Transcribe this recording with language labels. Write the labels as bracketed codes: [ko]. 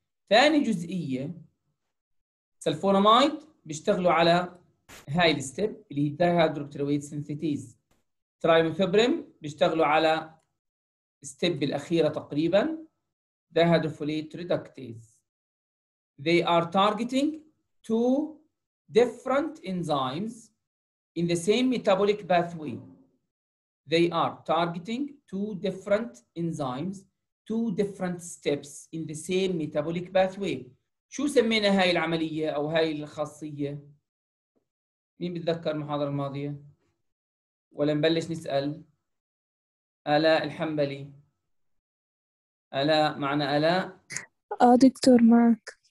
[ar] ثاني جزئية، سلفونامايد بيشتغلوا على هاي الستيب اللي هي الدايهايدروبتيرويت سينثيتيز. ترايميثوبريم بيشتغلوا على الستيب الأخيرة تقريبا، دايهايدروفوليت ريدكتيز. [en] They are targeting two different enzymes in the same metabolic pathway. They are targeting two different enzymes, two different steps in the same metabolic pathway. [ar] شو سمينا هاي العملية أو هاي الخاصية؟ مين بتذكر المحاضرة الماضية؟ ولا نبلش نسأل؟ آلاء الحنبلي. آلاء، معنا آلاء؟ دكتور معك،